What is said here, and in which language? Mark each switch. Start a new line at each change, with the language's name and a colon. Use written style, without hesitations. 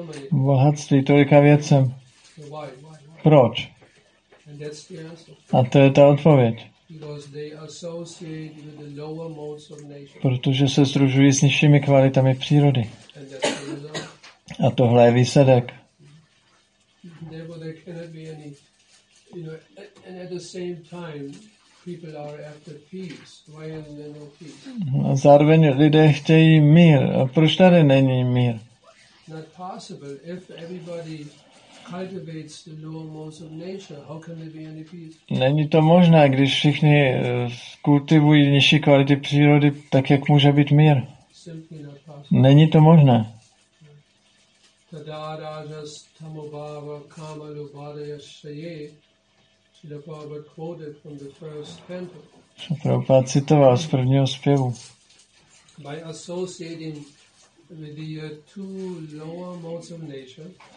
Czech: Bohatství, tolika věcem? Proč?
English: And that's the answer.
Czech: A to je ta odpověď.
English: Because they associate with the lower modes of nature.
Czech: Protože se združují s nižšími kvalitami přírody.
English: And that's the result.
Czech: A tohle je výsledek.
English: Therefore there cannot be any, you know, and at the same time people are after peace. Why isn't there no peace?
Czech: A zároveň lidé chtějí mír. A proč tady není mír?
English: Not possible if everybody cultivates the lower modes of nature. How can there be any peace?
Czech: Není to možné, když všichni kultivují nižší kvality přírody, tak jak může být mír? Není to možné.
Sanskrit: Tada rajas tamobhava kamalubhadaya shaye.
English: Srila Prabhupada quoted from the first canto.
Czech: Srila Prabhupada citoval z prvního zpěvu.
English: By associating with the two lower modes of nature,